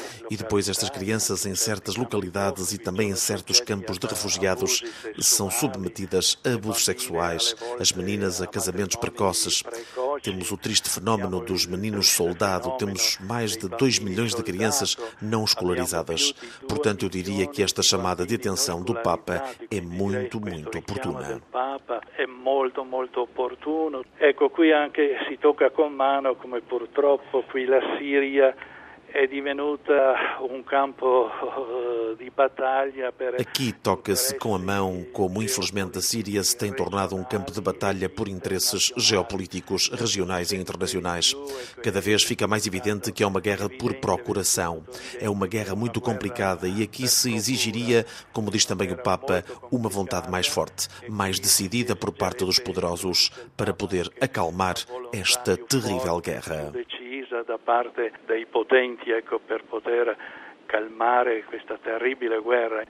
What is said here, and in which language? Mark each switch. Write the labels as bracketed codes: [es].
[pt] E depois estas crianças em certas localidades e também em certos campos de refugiados são submetidas a abusos sexuais, as meninas a casamentos precoces. Temos o triste fenómeno dos meninos soldado, temos mais de 2 milhões de crianças não escolarizadas. Portanto, eu diria que esta chamada de atenção do Papa é muito, muito oportuna. [it] Molto, molto opportuno. Ecco, qui anche si tocca con mano, come purtroppo qui la Siria è divenuta un campo di battaglia per. [pt] Aqui toca-se com a mão, como infelizmente a Síria se tem tornado um campo de batalha por interesses geopolíticos, regionais e internacionais. Cada vez fica mais evidente que é uma guerra por procuração. É uma guerra muito complicada e aqui se exigiria, como diz também o Papa, uma vontade mais forte, mais decidida por parte dos poderosos para poder acalmar esta terrível guerra. [it] Da parte dei potenti, ecco, per poter calmare questa terribile guerra.